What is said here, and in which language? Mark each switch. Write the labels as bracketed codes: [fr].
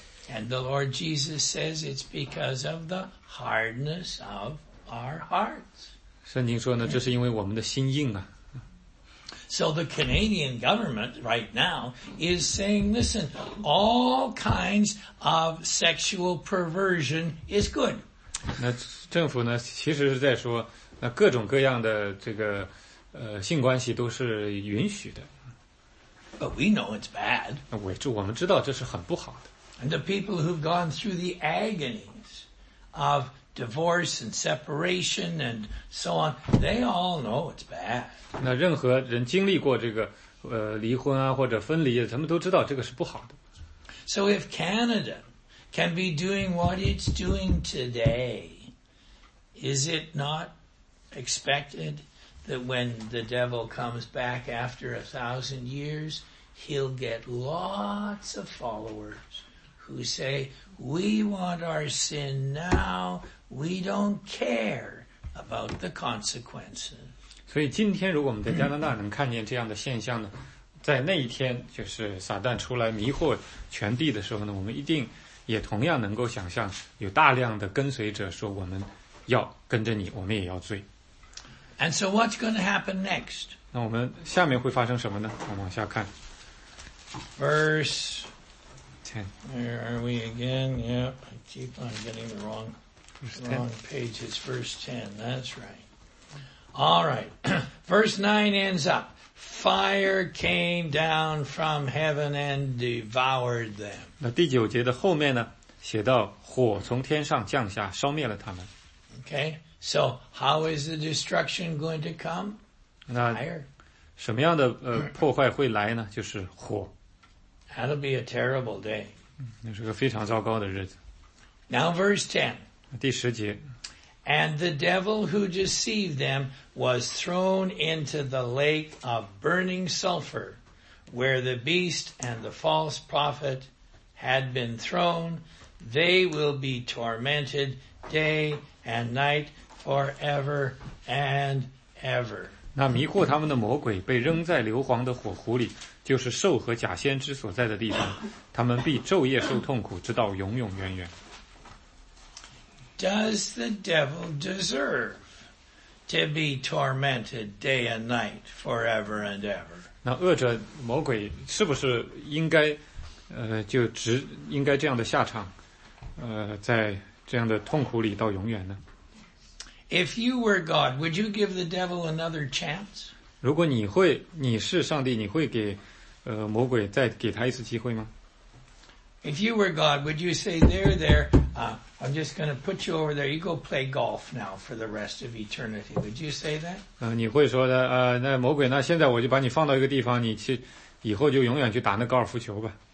[en] And the Lord Jesus says it's because of the hardness of our hearts. [zh] 圣经说呢，这是因为我们的心硬啊。 [en] So the Canadian government right now is saying, listen, all kinds of sexual perversion is good. [zh] 那政府呢其实是在说那各种各样的这个性关系都是允许的。 [en] But we know it's bad. [zh] 我们知道这是很不好的。 [en] And the people who've gone through the agonies of divorce and separation and so on, they all know it's bad. [zh] 那任何人经历过这个离婚啊或者分离，他们都知道这个是不好的。 [en] So if Canada can be doing what it's doing today, is it not expected that when the devil comes back after 1,000 years, he'll get lots of followers who say, we want our sin now, we don't care about the consequences. [zh] 所以今天如果我们在加拿大能看见这样的现象呢，在那一天就是撒旦出来迷惑全地的时候呢，我们一定也同样能够想象有大量的跟随者说我们要跟着你，我们也要罪。 [en] And so what's going to happen next? [zh] 那我们下面会发生什么呢？我们往下看。 [en] Verse 10. Where are we again? Yep, I keep on getting the wrong page. It's verse 10. That's right. All right. Verse 9 ends up. Fire came down from heaven and devoured them. [zh] 那第九节的后面呢？写到火从天上降下，烧灭了他们。 [en] Okay. So how is the destruction going to come? Fire. [zh] 什么样的破坏会来呢？就是火。 [en] That'll be a terrible day. [zh] 那是个非常糟糕的日子。 [en] Now verse 10. [zh] 第十节。 [en] And the devil who deceived them was thrown into the lake of burning sulfur, where the beast and the false prophet had been thrown. They will be tormented day and night forever and ever. [zh] 那迷惑他们的魔鬼被扔在硫磺的火湖里，就是兽和假先知所在的地方，他们必昼夜受痛苦，直到永永远远。 [en] Does the devil deserve to be tormented day and night forever and ever. [zh] 那恶者魔鬼是不是应该就只应该这样的下场在这样的痛苦里到永远呢？ [en] If you were God, would you give the devil another chance? [zh] 如果你会你是上帝，你会给魔鬼再给他一次机会吗？ [en] If you were God, would you say there, there, I'm just going to put you over there, you go play golf now for the rest of eternity. Would you say that? [zh] 你会说的那魔鬼，那现在我就把你放到一个地方，你去以后就永远去打那高尔夫球吧。